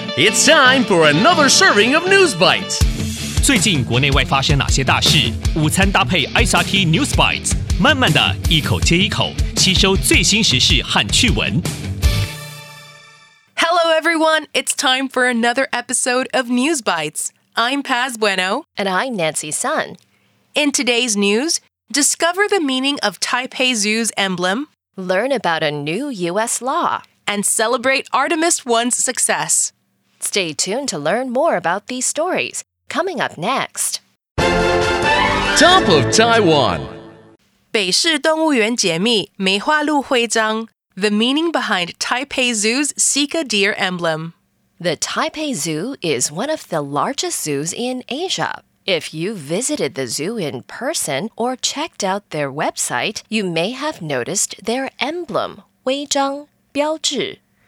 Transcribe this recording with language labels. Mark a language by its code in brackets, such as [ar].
[en] It's time for another serving of News Bites. [zh] 最近国内外发生哪些大事？午餐搭配 SRT News Bites， 慢慢的一口接一口，吸收最新时事和趣闻。 [en] Hello everyone, it's time for another episode of News Bites. I'm Paz Bueno. And I'm Nancy Sun. In today's news, discover the meaning of Taipei Zoo's emblem, learn about a new U.S. law, and celebrate Artemis One's success. Stay tuned to learn more about these stories, coming up next. Top of Taiwan. [zh] 北市动物园解密梅花鹿徽章。 [en] The meaning behind Taipei Zoo's Sika deer emblem. The Taipei Zoo is one of the largest zoos in Asia. If you visited the zoo in person or checked out their website, you may have noticed their emblem, [zh] 徽章, 标志.